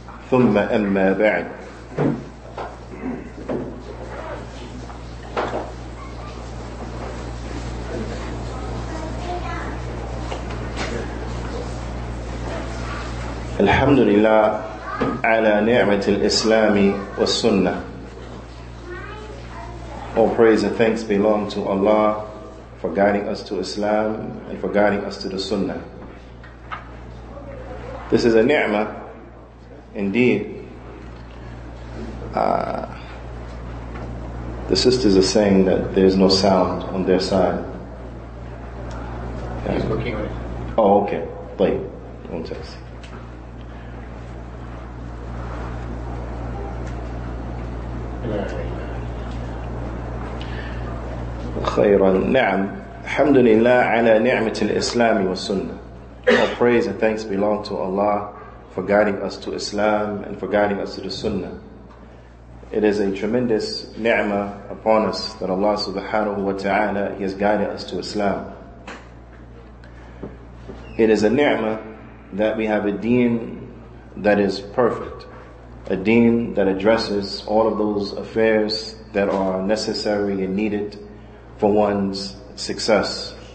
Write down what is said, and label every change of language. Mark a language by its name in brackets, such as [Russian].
[Arabic] ثم أما بعد الحمد لله على نعمة الإسلام والسنة. [English] All praise and thanks belong to Allah for guiding us to Islam and for guiding us to the Sunnah. This is a ni'mah, indeed. The sisters are saying that there's no sound on their side. He's working on it. Oh, okay. Wait, one text. [Arabic] خيرا نعم الحمد لله على نعمة الإسلام والسنة. [English] All praise and thanks belong to Allah for guiding us to Islam and for guiding us to the Sunnah. It is a tremendous ni'mah upon us that Allah subhanahu wa ta'ala, He has guided us to Islam. It is a ni'mah that we have a deen that is perfect, a deen that addresses all of those affairs that are necessary and needed for one's success.